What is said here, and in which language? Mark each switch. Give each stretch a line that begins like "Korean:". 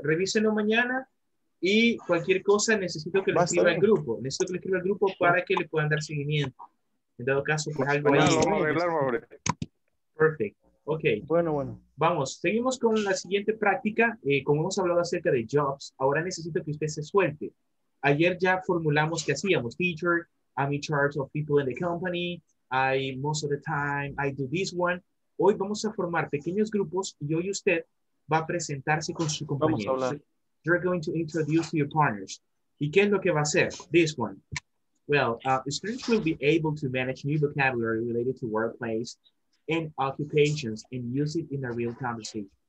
Spanish: Revísenlo mañana y cualquier cosa necesito que lo escriba el grupo. Necesito que lo escriba el grupo para que le puedan dar seguimiento. En dado caso, pues algo bueno, ahí. Vamos a arreglar, Mauri. Perfecto. Ok. Bueno. Vamos, seguimos con la siguiente práctica. Como hemos hablado acerca de jobs, ahora necesito que usted se suelte. Ayer ya formulamos qué hacíamos.
English: Teacher, I'm in charge of people in the company. Most of the time, I do this one.
Spanish: Hoy vamos a formar pequeños grupos y hoy usted va a presentarse con su compañero. Vamos a hablar.
English: You're going to introduce to your partners.
Spanish: ¿Y qué es lo que va a hacer?
English: This one. Well, students will be able to manage new vocabulary related to workplace and occupations and use it in a real conversation.